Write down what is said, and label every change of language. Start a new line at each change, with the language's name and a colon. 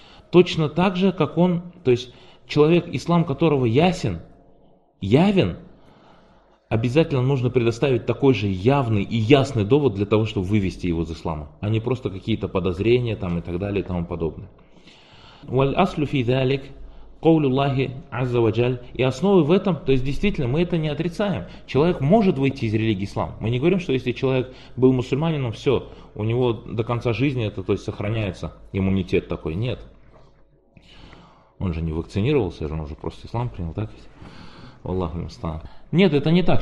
Russian: Точно так же, как он, то есть человек, ислам которого ясен, явен, обязательно нужно предоставить такой же явный и ясный довод для того, чтобы вывести его из ислама, а не просто какие-то подозрения там и так далее и тому подобное.
Arabic: والأصل في ذلك قول الله عز وجل.
Russian: И основы в этом, то есть действительно мы это не отрицаем. Человек может выйти из религии ислам. Мы не говорим, что если человек был мусульманином, все, у него до конца жизни это, то есть сохраняется иммунитет такой. Нет. Он же не вакцинировался, он же просто ислам принял, так ведь?
Arabic: Аллаху мустаан.
Russian: Нет, это не так.